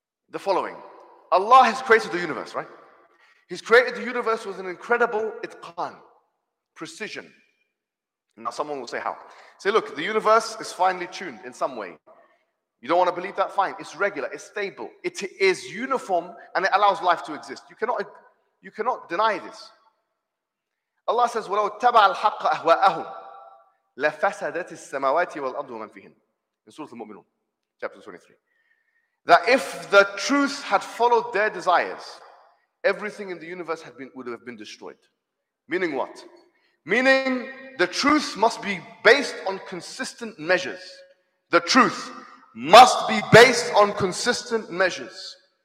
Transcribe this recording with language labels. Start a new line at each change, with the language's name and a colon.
English: The following. Allah has created the universe, right? He's created the universe with an incredible itqan, precision. Now someone will say how. Say, look, the universe is finely tuned in some way. You don't want to believe that? Fine. It's regular. It's stable. It is uniform and it allows life to exist. You cannot deny this. Allah says,
Arabic: وَلَوْ اتَّبَعَ الْحَقَّ أَهْوَاءَهُمْ لَفَسَدَتِ السَّمَوَاتِ وَالْأَرْضُ وَمَنْ فِيهِنْ
English: In Surah Al-Mu'minun, chapter 23. That if the truth had followed their desires, everything in the universe would have been destroyed. Meaning what? Meaning the truth must be based on consistent measures. The truth must be based on consistent measures.